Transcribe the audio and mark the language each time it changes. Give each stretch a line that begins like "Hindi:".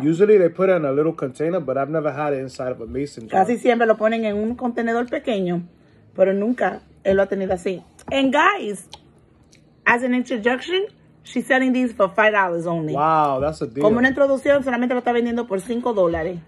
English: Usually they put it in a little container, but I've never had it inside of a mason jar.
Spanish: Casi siempre lo ponen en un contenedor pequeño, pero nunca él lo ha tenido así.
English: And guys, as an introduction, she's selling these for $5 only. Wow, that's a deal.
Spanish: Como una introducción, solamente lo está vendiendo por $5.